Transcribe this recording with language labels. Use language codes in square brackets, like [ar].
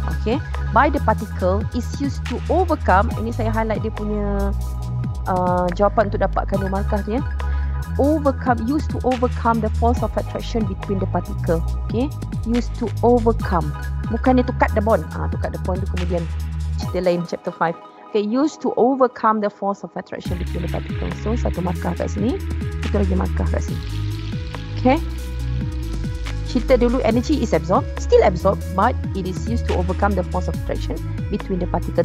[en] Okay, by the particle is used to overcome. [ms] Ini saya highlight dia punya jawapan untuk dapatkan dua markah ni. [en] Overcome, used to overcome the force of attraction between the particle. Okay, used to overcome. [ms] Bukannya [en] to cut the bond. To cut the bond [ms] tu kemudian cerita lain, [en] chapter 5. Okay, used to overcome the force of attraction between the particle. So [ms] satu markah kat sini, [en] satu lagi markah kat sini. Okay, [ms] cerita dulu [en] energy is absorbed, still absorbed, but it is used to overcome the force of attraction between the particle.